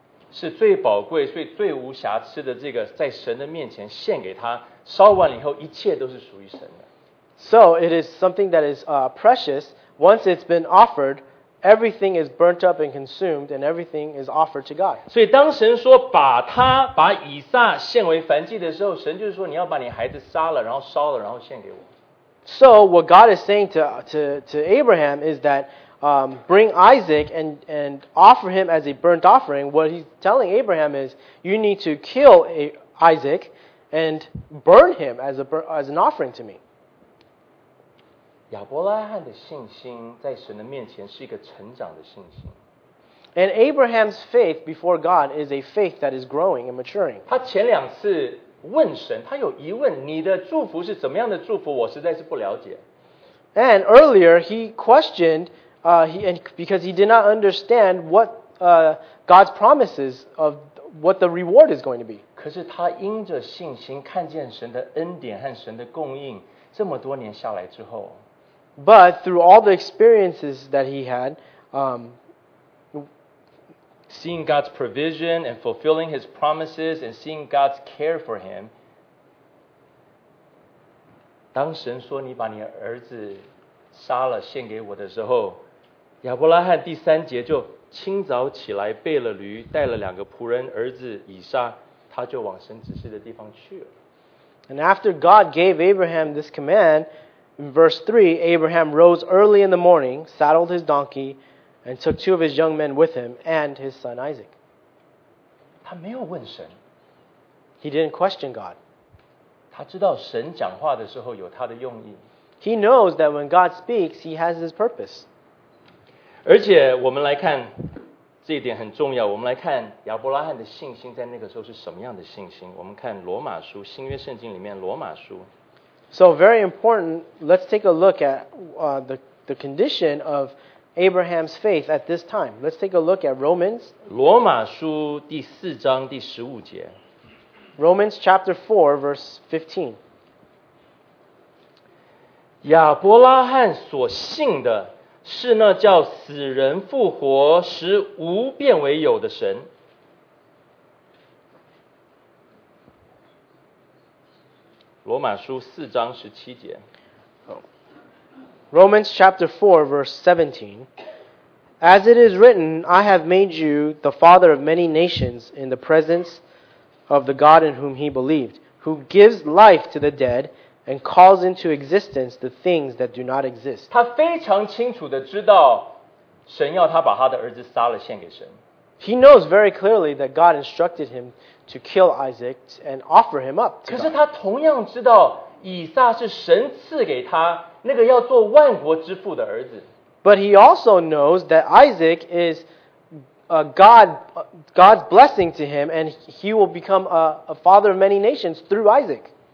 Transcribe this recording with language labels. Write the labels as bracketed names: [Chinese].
[Chinese] 是最宝贵、最最无瑕疵的这个，在神的面前献给他，烧完以后一切都是属于神的。 [English] So it is something that is precious. Once it's been offered, everything is burnt up and consumed, and everything is offered to God. [Chinese] 所以当神说把他把以撒献为燔祭的时候，神就是说你要把你孩子杀了，然后烧了，然后献给我。 [English] So what God is saying to Abraham is that bring Isaac and offer him as a burnt offering. What he's telling Abraham is you need to kill Isaac and burn him as an offering to me. [Chinese] 亚伯拉罕的信心在神的面前是一个成长的信心。 [English] And Abraham's faith before God is a faith that is growing and maturing. [Chinese] 他前两次问神，他有疑问，你的祝福是怎么样的祝福，我实在是不了解。 [English] And earlier he questioned, because he did not understand what God's promises of what the reward is going to be. [Chinese] 可是他因着信心看见神的恩典和神的供应, 这么多年下来之后, [English] but through all the experiences that he had, seeing God's provision and fulfilling his promises and seeing God's care for him, [Chinese] 当神说你把你儿子杀了献给我的时候, 亚伯拉罕第三节就清早起来背了驴, 带了两个仆人儿子以撒, 他就往神指示的地方去了。 [English] And after God gave Abraham this command, in verse 3, Abraham rose early in the morning, saddled his donkey, and took two of his young men with him and his son Isaac. [Chinese] 他没有问神, [English] he didn't question God. [Chinese] 他知道神讲话的时候有他的用意。 [English] He knows that when God speaks, he has his purpose. [Chinese] 而且我们来看, 这一点很重要, 我们来看亚伯拉罕的信心在那个时候是什么样的信心, 我们看罗马书, 新约圣经里面, 罗马书。 [English] So very important, let's take a look at the condition of Abraham's faith at this time. Let's take a look at Romans. [Chinese] 罗马书第四章第十五节。 [English] Romans chapter 4, verse 15. [Chinese] 亚伯拉罕所信的, 是那叫死人复活, 使无变为有的神。罗马书四章十七节。 [English] Romans chapter 4, verse 17. As it is written, I have made you the father of many nations in the presence of the God in whom he believed, who gives life to the dead and calls into existence the things that do not exist. [Chinese] 他非常清楚地知道神要他把他的儿子杀了献给神。 [English] He knows very clearly that God instructed him to kill Isaac and offer him up to God. [Chinese] 可是他同样知道以撒是神赐给他那个要做万国之父的儿子。 [English] But he also knows that Isaac is God's blessing to him, and he will become a father of many nations through Isaac.